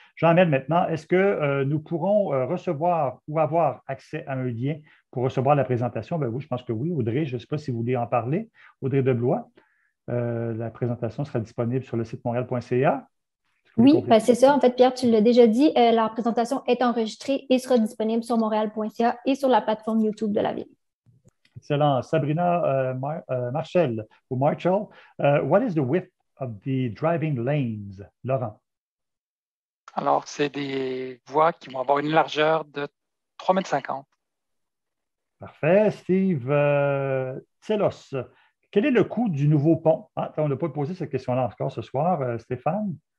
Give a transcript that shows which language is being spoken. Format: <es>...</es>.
<fr>Jean-Amel, maintenant, est-ce que nous pourrons recevoir ou avoir accès à un lien pour recevoir la présentation? Bien, oui, je pense que oui. Audrey, je ne sais pas si vous voulez en parler. Audrey Deblois, la présentation sera disponible sur le site montréal.ca. Oui, ben c'est ça. En fait, Pierre, tu l'as déjà dit, la présentation est enregistrée et sera disponible sur montréal.ca et sur la plateforme YouTube de la Ville. Excellent.</fr> <en>Sabrina Marshall, ou Marshall, what is the width of the driving lanes?</en> <fr>Laurent. Alors, c'est des voies qui vont avoir une largeur de 3,50 m. Parfait. Steve Tselos, quel est le coût du nouveau pont? Hein, on n'a pas posé cette question-là encore ce soir, Stéphane.</fr>